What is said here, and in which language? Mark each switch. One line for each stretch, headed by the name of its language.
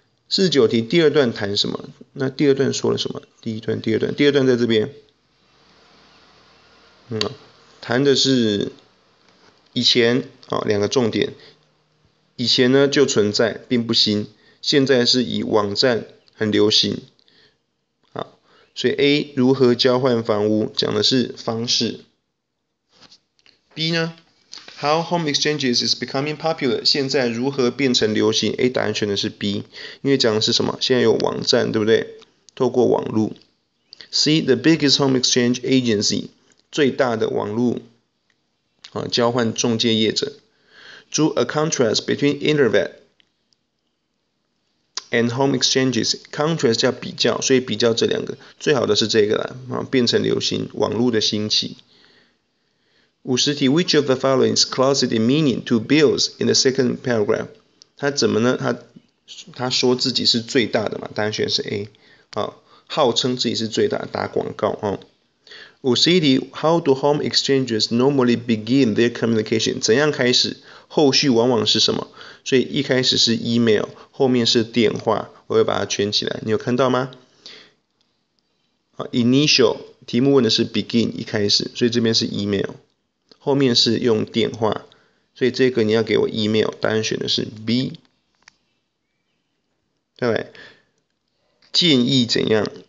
Chinese: 49题第二段谈什么？那第二段说了什么？第一段、第二段，第二段在这边，谈的是以前，两个重点，以前呢就存在，并不新，现在是以网站很流行。好，所以 A 如何交换房屋讲的是方式。
English: B 呢 ？How home exchanges is becoming popular？
Chinese: 现在如何变成流行 ？A 答案选的是 B， 因为讲的是什么？现在有网站，对不对？透过网路。C
English: the biggest home exchange agency，
Chinese: 最大的网路。交换中介业者。
English: Draw a contrast between internet and home exchanges.
Chinese: Contrast 叫比较，所以比较这两个，最好的是这个啦。变成流行，网络的兴起。
English: 50题 ，Which of the following is closest in meaning to bills in the second paragraph?
Chinese: 他怎么呢？他说自己是最大的嘛？答案选是 A。号称自己是最大，打广告啊。
English: 50题 ，How do home exchanges normally begin their communication?
Chinese: 怎样开始？后续往往是什么？所以一开始是 email， 后面是电话，我会把它圈起来。你有看到吗？好 ，
English: initial
Chinese: 题目问的是 begin， 一开始，所以这边是 email， 后面是用电话，所以这个你要给我 email， 答案选的是 B， 对不对？建议怎样？